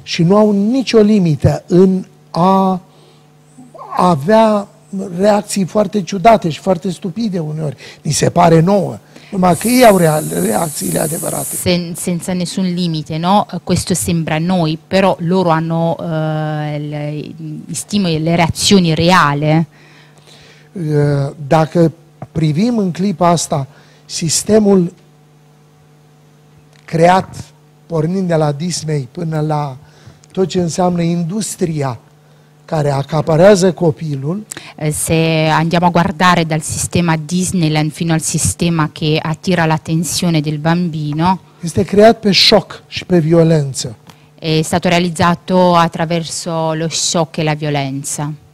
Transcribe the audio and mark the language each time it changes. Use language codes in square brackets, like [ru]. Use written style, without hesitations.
[ro] Și nu au nicio limită în a avea reacții foarte ciudate și foarte stupide uneori, ni se pare nouă, numai că ei au reacțiile adevărate. [it] Senza nessun limite, no? Questo sembra noi, però loro hanno le reazioni reale. [ro] Dacă privim în clipa asta sistemul creat pornind de la Disney până la tot ce înseamnă industria care accaparează copilul. [it] Se andiamo a guardare dal sistema Disneyland fino al sistema che attira l'attenzione del bambino. [ro] Este creat pe șoc și pe violență. [it] È stato realizzato attraverso lo shock e la violenza.